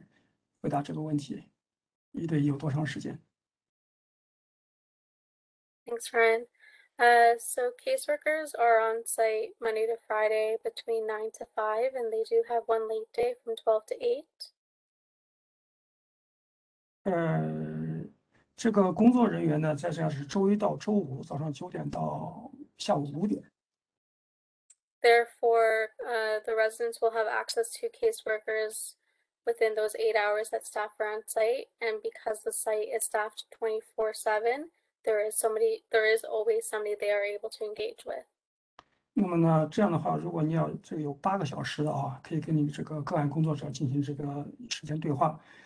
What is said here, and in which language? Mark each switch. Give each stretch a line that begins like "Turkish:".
Chinese: 这个呢，跟我们这个艾丽她更多这方面的现场的经验，回答这个问题，一对一有多长时间？
English: Thanks, Ryan. So caseworkers are on site Monday to Friday between 9 to 5, and they do have one late day from 12 to 8.
Chinese: 这个工作人员呢，在这样是周一到周五早上9点到下午5点。
English: Therefore, the residents will have access to caseworkers within those 8 hours that staff are on site, and because the site is staffed 24/7, there is always somebody they are able to engage with.
Chinese: 那么呢，这样的话，如果你要这个有8个小时的啊，可以跟你这个个案工作者进行这个时间对话。